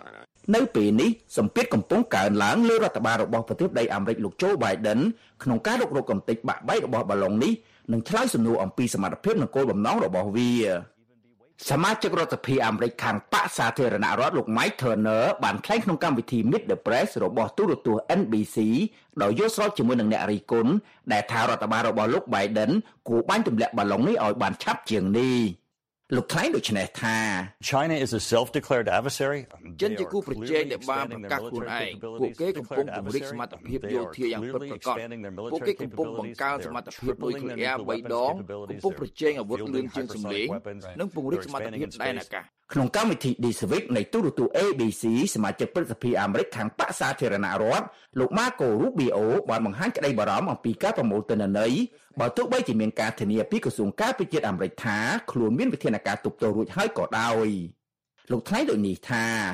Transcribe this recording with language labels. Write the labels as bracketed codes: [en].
[km] នៅពេលនេះសម្ពាធកំពុងកើនឡើងលើរដ្ឋបាលរបស់ប្រទេសដីអាមេរិកលោកជូបៃដិនក្នុងការរុករកកំទេចបាក់បែករបស់បាឡុងនេះនឹងឆ្លើយសំណួរអំពីសមត្ថភាពនិងគោលបំណងរបស់វាសមាជិករដ្ឋសភាអាមេរិកខាងបកសាធារណរដ្ឋលោក Mike Turner បានថ្លែងក្នុងកម្មវិធី Meet the Press របស់ទូរទស្សន៍ NBC ដោយយល់ស្របជាមួយនឹងអ្នករីគុណដែលថារដ្ឋបាលរបស់លោក Biden គួរបាញ់ទម្លាក់បាឡុងនេះឲ្យបានឆាប់ជាងនេះលោកថ្លែងដូចនេះថា [en] China is a self-declared adversary [km] ចិនជាគូប្រជែងដែលបានប្រកាសខ្លួនឯងពួកគេកំពុងពង្រីកសមត្ថភាពយោធាយ៉ាងពិតប្រាកដពួកគេកំពុងបង្កើនសមត្ថភាពដោយគ្រា3ដងកំពុងប្រជែងអាវុធលឿនជាងសម្លេងនិងពង្រីកសមត្ថភាពដែនអាកាស ក្នុងកម្មវិធី Disvic នៃទូរទស្សន៍ ABC សមាជិកព្រឹទ្ធសភាអាមេរិកខាងបកសាធារណរដ្ឋលោក Marco Rubio បានបង្ហាញក្តីបារម្ភអំពីការប្រមូលទិន្នន័យបើទោះបីជាមានការធានាពីក្រសួងការបរទេសអាមេរិកថាខ្លួនមានវិធានការទប់ទល់រួចហើយក៏ដោយលោកថ្លែងដូចនេះថា